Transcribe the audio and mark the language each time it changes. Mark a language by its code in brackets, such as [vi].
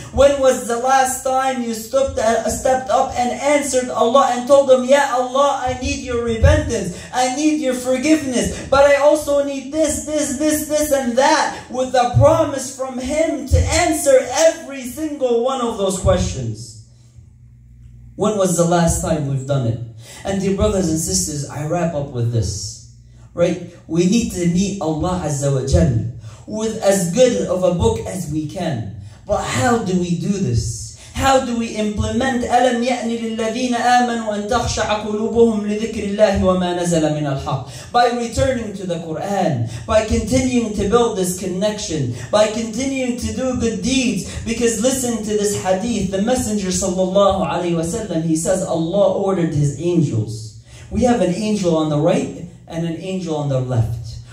[en] When was the last time you stepped up and answered Allah and told Him, Ya Allah, I need Your repentance, I need Your forgiveness, but I also need this, and that, with a promise from Him to answer every single one of those questions. When was the last time we've done it? And dear brothers and sisters, I wrap up with this. Right? We need to meet Allah Azza wa Jal with as good of a book as we can. But how do we do this? How do we implement [ar] أَلَمْ يَأْنِ لِلَّذِينَ آمَنُوا أَن تَخْشَعَ قُلُوبُهُمْ لِذِكْرِ اللَّهِ وَمَا نَزَلَ مِنَ الْحَقِّ. [en] By returning to the Quran, by continuing to build this connection, by continuing to do good deeds. Because listen to this hadith, the Messenger sallallahu alayhi wa sallam, he says Allah ordered His angels. We have an angel on the right and an angel on the left.